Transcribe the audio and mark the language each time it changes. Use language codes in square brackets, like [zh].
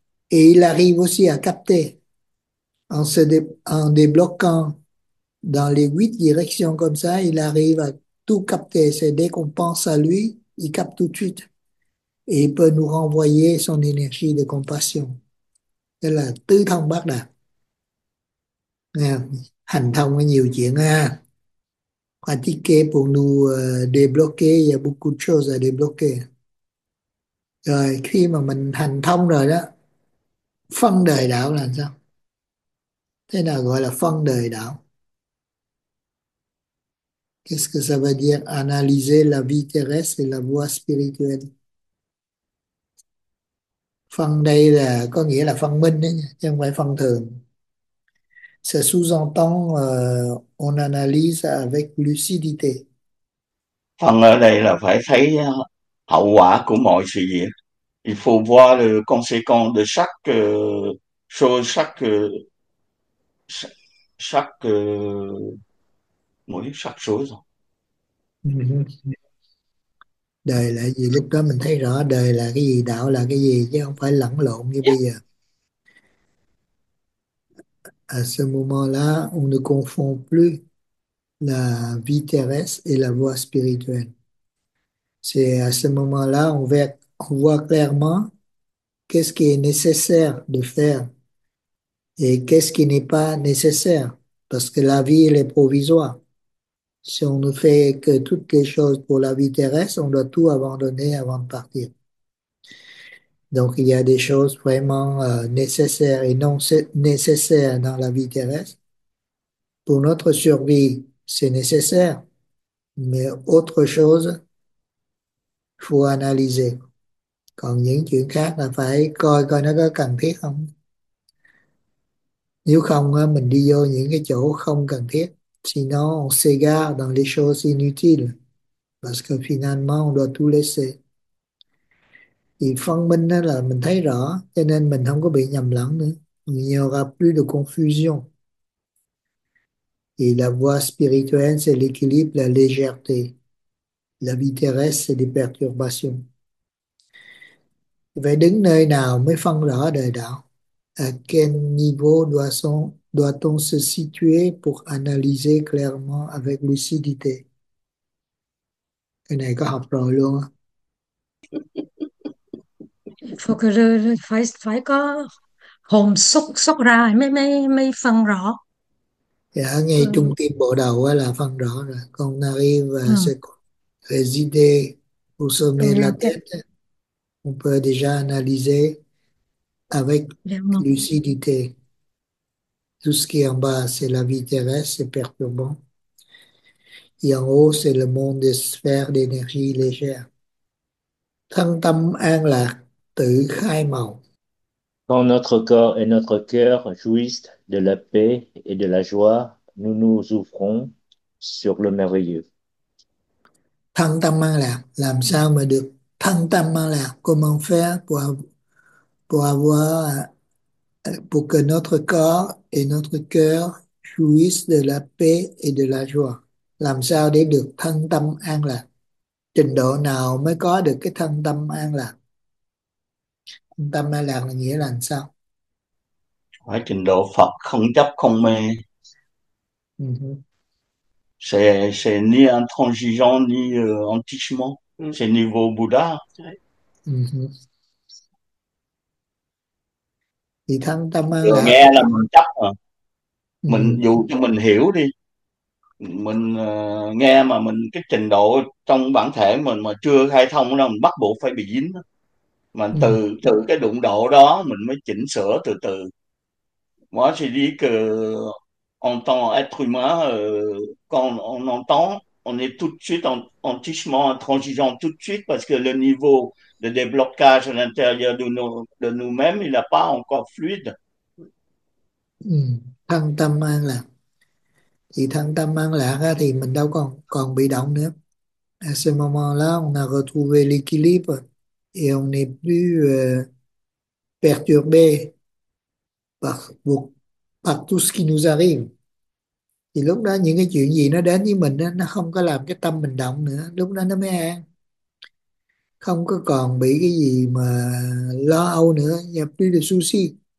[fr] Et il arrive aussi à capter en débloquant dans les huit directions comme ça, il arrive à tout capter. C'est dès qu'on pense à lui, il capte tout de suite. Et il peut nous renvoyer son énergie de compassion. [vi] Đó là tứ thông bát đạt. Nè, hành thông có nhiều chuyện ha. [fr] Pratiquer pour nous débloquer, il y a beaucoup de choses à débloquer. [vi] Rồi khi mà mình hành thông rồi đó, phân đời đạo là sao? Thế nào gọi là phân đời đạo? [fr] Qu'est-ce que ça veut dire analyser la vie terrestre et la voie spirituelle? [vi] Phân đây là có nghĩa là phân minh đấy, chứ không phải phân thường. [fr] Ça sous-entend on analyse avec lucidité. [vi] Phần ở đây là phải thấy hậu quả của mọi sự việc. [fr] Il faut voir le conséquent de chaque chose, chaque [vi] mỗi [fr] chaque chose. [vi] Đời là gì, lúc đó mình thấy rõ đời là cái gì, đạo là cái gì, chứ không phải lẫn lộn như bây giờ. [fr] Ce moment-là, on ne confond plus la vie terrestre et la voie spirituelle. C'est à ce moment-là, on voit clairement qu'est-ce qui est nécessaire de faire et qu'est-ce qui n'est pas nécessaire, parce que la vie, elle est provisoire. Si on ne fait que toutes les choses pour la vie terrestre, on doit tout abandonner avant de partir. Donc, il y a des choses vraiment nécessaires et non nécessaires dans la vie terrestre. Pour notre survie, c'est nécessaire, mais autre chose, faut analyser. [vi] Còn những chuyện khác là phải coi coi nó có cần thiết không. Nếu không, mình đi vô những cái chỗ không cần thiết. [fr] Sinon, on s'égare dans les choses inutiles. Parce que finalement, on doit tout laisser. [vi] Thì phân minh đó là mình thấy rõ, cho nên mình không có bị nhầm lẫn nữa. [fr] Il n'y aura plus de confusion. Et la voie spirituelle, c'est l'équilibre, la légèreté. La vie terrestre, c'est des perturbations. [vi] Vậy đứng nơi nào mới phân rõ đời đạo? [fr] À quel niveau doit-on se situer pour analyser clairement avec lucidité? [vi] Cái này có học rồi luôn á. Phải phải phải có hồn xúc xúc ra mới mới mới phân rõ. Dạ, ngay trung tâm bộ đầu là phân rõ rồi. Con [fr] arrive [vi] sẽ [fr] résider au sommet de la Ok. tête. On peut déjà analyser avec Vraiment. lucidité. Tout ce qui est en bas, c'est la vie terrestre, c'est perturbant. Et en haut, c'est le monde des sphères d'énergie légère. [vi] Thân tâm an lạc, tự khai màu. [fr] Quand notre corps et notre cœur jouissent de la paix et de la joie, nous nous ouvrons sur le merveilleux. [vi] Thân tâm an lạc, [fr] làm sao mà được thân tâm an lạc, comment faire pour avoir, pour que notre corps et notre cœur jouissent de la paix et de la joie. [vi] Làm sao để được thân tâm an lạc? Trình độ nào mới có được cái thân tâm an lạc? Thân tâm an lạc là nghĩa là làm sao? Phải trình độ Phật không chấp không mê, [fr] C'est ni intransigeant, ni entichement. C'est niveau Bouddha. [vi] Thì thân tâm an Rồi lạc nghe thì là mình chắc mà. Mình dù cho mình hiểu đi. Mình nghe mà mình cái trình độ trong bản thể mình mà chưa khai thông đâu, mình bắt buộc phải bị dính. Mà từ từ cái đụng độ đó mình mới chỉnh sửa từ từ. [fr] Moi, je dis que en tant qu'être humain, quand on entend, on est tout de suite entichement, intransigeant tout de suite, parce que le niveau de déblocage à l'intérieur de nous-mêmes, il n'est pas encore fluide. [vi] Thân tâm an lạc thì thân tâm an lạc á, thì mình đâu còn còn bị động nữa. [fr] À, ce moment-là, on a retrouvé l'équilibre et on n'est plus perturbé par tout ce qui nous arrive. [vi] Thì lúc đó những cái chuyện gì nó đến với mình đó, nó không có làm cái tâm mình động nữa, lúc đó nó mới an, không có còn bị cái gì mà lo âu nữa, nhập đi là [fr] souci.